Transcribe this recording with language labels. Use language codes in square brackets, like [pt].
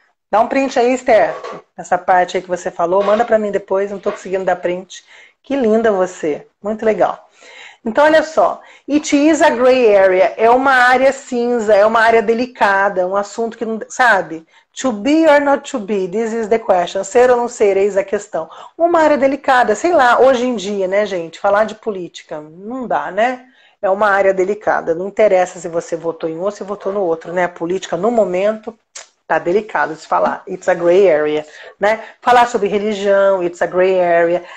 [pt] Dá um print aí, Esther. Essa parte aí que você falou. Manda pra mim depois. Não tô conseguindo dar print. Que linda você. Muito legal. Então, olha só, [en] it is a gray area, [pt] é uma área cinza, é uma área delicada, um assunto que não, sabe? [en] To be or not to be, this is the question. [pt] Ser ou não ser, eis a questão. Uma área delicada, sei lá, hoje em dia, né, gente? Falar de política não dá, né? É uma área delicada, não interessa se você votou em um ou se votou no outro, né? A política, no momento, tá delicado de se falar. [en] It's a gray area, [pt] né? Falar sobre religião, [en] it's a gray area.